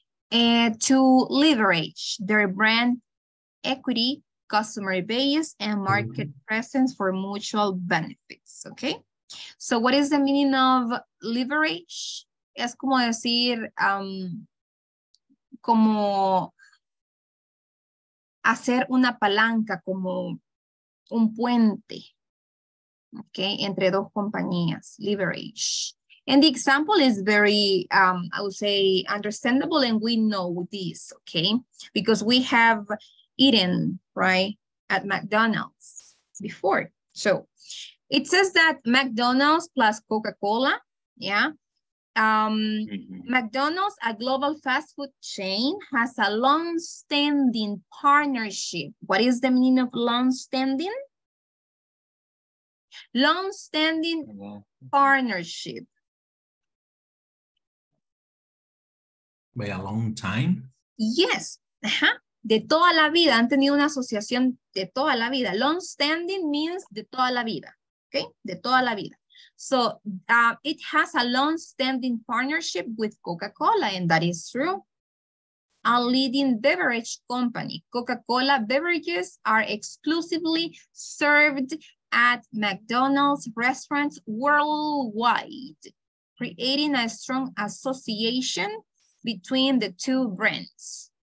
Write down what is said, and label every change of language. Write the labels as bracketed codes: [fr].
[en] To leverage their brand equity, customer base, and market presence for mutual benefits. Okay. So, what is the meaning of leverage? [es] Es como decir, como hacer una palanca, como un puente, okay, entre dos compañías, leverage. [en] And the example is very, I would say, understandable, and we know this, okay? Because we have eaten, right, at McDonald's before. So it says that McDonald's plus Coca-Cola, yeah? McDonald's, a global fast food chain, has a long-standing partnership. What is the meaning of long-standing? Long-standing partnership. By a long time? Yes. [es] De toda la vida. Han tenido una asociación de toda la vida. [en] Long standing means [es] de toda la vida. Okay? De toda la vida. [en] So it has a long standing partnership with Coca-Cola, and that is true. A leading beverage company. Coca-Cola beverages are exclusively served at McDonald's restaurants worldwide, creating a strong association between the two brands.